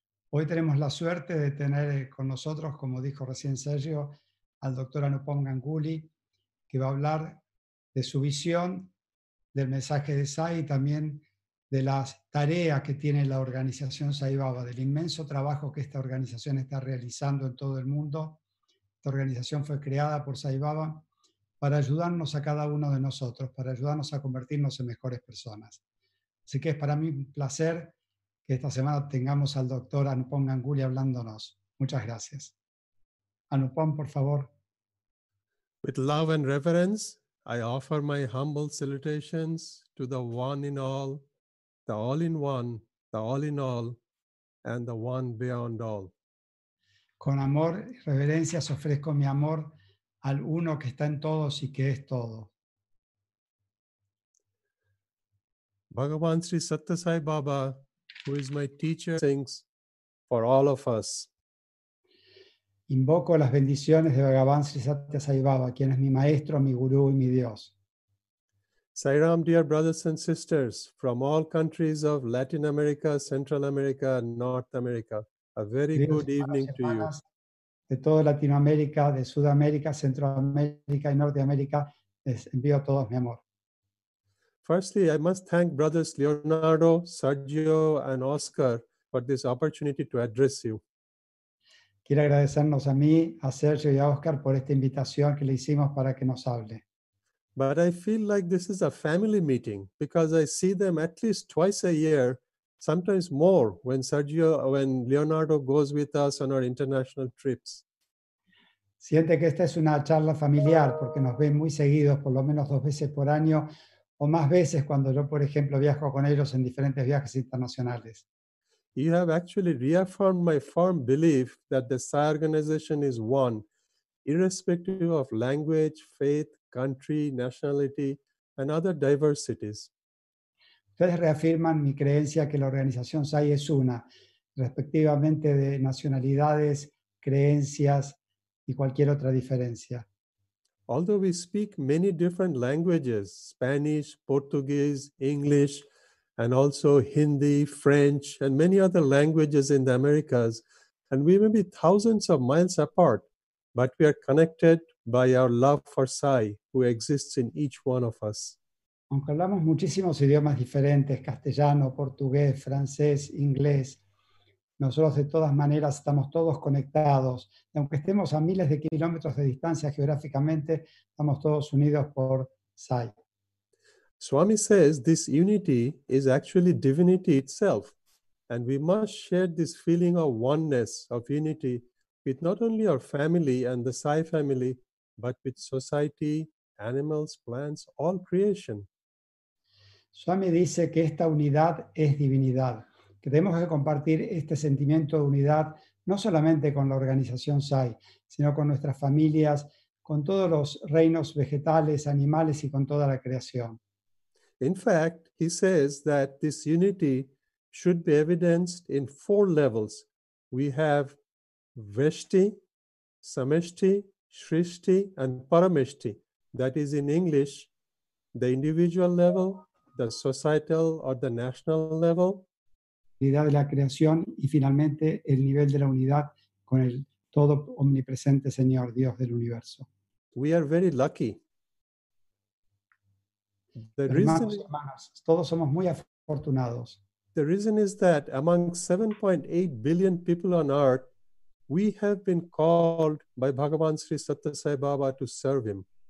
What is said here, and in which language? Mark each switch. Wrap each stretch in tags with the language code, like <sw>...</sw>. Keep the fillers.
<es>Hoy tenemos la suerte de tener con nosotros, como dijo recién Sergio, al doctor Anupam Ganguly, que va a hablar de su visión del mensaje de Sai y también de las tareas que tiene la organización Sai Baba, del inmenso trabajo que esta organización está realizando en todo el mundo. Esta organización fue creada por Sai Baba para ayudarnos a cada uno de nosotros, para ayudarnos a convertirnos en mejores personas. Así que es para mí un placer que esta semana tengamos al doctor Anupam Ganguly hablándonos. Muchas gracias. Anupam, por favor.</es> <en>With love and reverence, I offer my humble salutations to the one in all, the all in one, the all in all, and the one beyond all.</en> <es>Con amor y reverencias ofrezco mi amor al uno que está en todos y que es todo.</es> <en>Bhagavan Sri Satyasai Baba, who is my teacher, sings for all of us.</en> <es>Invoco las bendiciones de Bhagavan Sri Satyasai Baba, quien es mi maestro, mi gurú y mi Dios.</es> <en>Sairam, dear brothers and sisters, from all countries of Latin America, Central America, and North America, a very</en> <es>Queridos</es> <en>good</en> <es>hermanos y</es> <en>evening to you.</en> <es>hermanas De toda Latinoamérica, de Sudamérica, Centroamérica y Norteamérica, les envío todos mi amor.</es> <en>Firstly, I must thank brothers Leonardo, Sergio, and Oscar for this opportunity to address you.</en> <es>Quiero agradecernos a mí, a Sergio y a Oscar por esta invitación que le hicimos para que nos hable.</es> <en>But I feel like this is a family meeting because I see them at least twice a year, sometimes more when Sergio, when Leonardo goes with us on our international trips.</en> <es>Siente que esta es una charla familiar porque nos ven muy seguidos, por lo menos dos veces por año o más veces cuando yo, por ejemplo, viajo con ellos en diferentes viajes internacionales.</es> <en>You have actually reaffirmed my firm belief that the Psi organization is one, irrespective of language, faith, country, nationality, and other diversities.</en> <es>Ustedes reafirman mi creencia que la organización SAI es una, respectivamente de nacionalidades, creencias y cualquier otra diferencia.</es> <en>Although we speak many different languages Spanish, Portuguese, English, and also Hindi, French, and many other languages in the Americas, and we may be thousands of miles apart, but we are connected by our love for Sai, who exists in each one of us.</en> <es>Aunque hablamos muchísimos idiomas diferentes, castellano, portugués, francés, inglés, nosotros de todas maneras estamos todos conectados. Y aunque estemos a miles de kilómetros de distancia geográficamente, estamos todos unidos por SAI.</es> <en>Swami says this unity is actually divinity itself, and we must share this feeling of oneness, of unity, with not only our family and the Sai family, but with society, animals, plants, all creation.</en> <es>Swami dice que esta unidad es divinidad, que tenemos que compartir este sentimiento de unidad no solamente con la organización SAI, sino con nuestras familias, con todos los reinos vegetales, animales y con toda la creación.</es> <en>In fact, he says that this unity should be evidenced in four levels. We have Veshti, Sameshti, Shrishti, and Parameshti. That is in English, the individual level, the societal or the national level,</en> <es>Unidad de la creación y finalmente el nivel de la unidad con el todo omnipresente Señor Dios del universo.</es> <en>we are very lucky. The</en> <es>Hermanos</es> <en>reason,</en> <es>y hermanas, todos somos muy afortunados.</es> <en>the reason is that among 7.8 billion people on earth, we have been called by Bhagavan Sri Satyasai Baba to serve him.</en>